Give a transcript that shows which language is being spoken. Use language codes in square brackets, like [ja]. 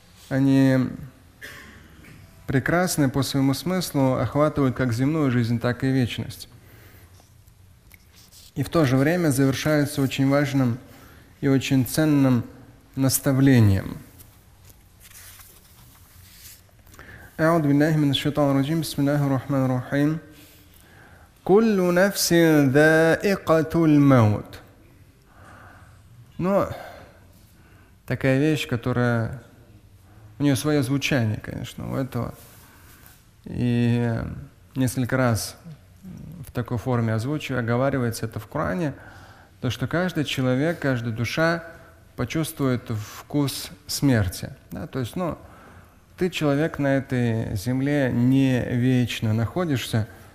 [ru] Они прекрасны по своему смыслу, охватывают как земную жизнь, так и вечность. И в то же время завершаются очень важным и очень ценным наставлением. [ar] أعوذ بالله من الشيطان الرجيم بسم الله الرحمن الرحيم كل نفس ذائقة الموت. [ru] Но такая вещь, которая у нее свое звучание, конечно, у этого и несколько раз в такой форме озвучивается, оговаривается это в Коране, то что каждый человек, каждая душа почувствует вкус смерти, да, то есть, ну, ты, человек, на этой земле не вечно находишься.